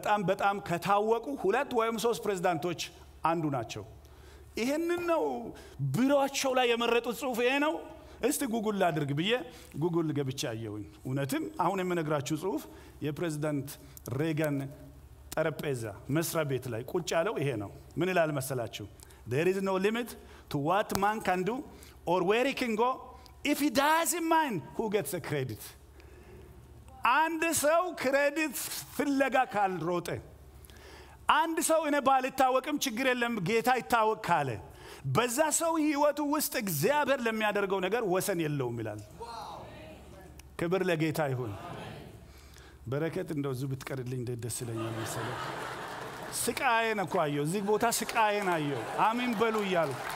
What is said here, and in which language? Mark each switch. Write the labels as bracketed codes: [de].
[am] በጣም ከታወቁ ሁለት ወይም ሶስት ፕሬዚዳንቶች አንዱ ናቸው። ይሄንን ነው ቢሮአቸው ላይ የመረጡት ጽሑፍ ይሄ ነው። እስቲ ጉግል አድርግ ብዬ ጉግል ገብቼ አየሁኝ። እነተም አሁን የምነግራችሁ ጽሑፍ የፕሬዚዳንት ሬገን ጠረጴዛ መስሪያ ቤት ላይ ቁጭ ያለው ይሄ ነው። ምን ይላል መሰላችሁ? [en] There is no limit to what man can do or where he can go if he doesn't mind who gets the credit. [am] አንድ ሰው ክሬዲት ፍለጋ ካልሮጠ አንድ ሰው እኔ ባልታወቅም ችግር የለም ጌታ ይታወቅ ካለ በዛ ሰው ህይወቱ ውስጥ እግዚአብሔር ለሚያደርገው ነገር ወሰን የለውም ይላል። ክብር ለጌታ ይሁን። በረከት እንደዙ ብትቀርልኝ ደስ ይለኛል መሰለኝ። ስቃዬ ነው ቆየው እዚህ ቦታ ስቃዬ ናየው። አሜን በሉ ይላል።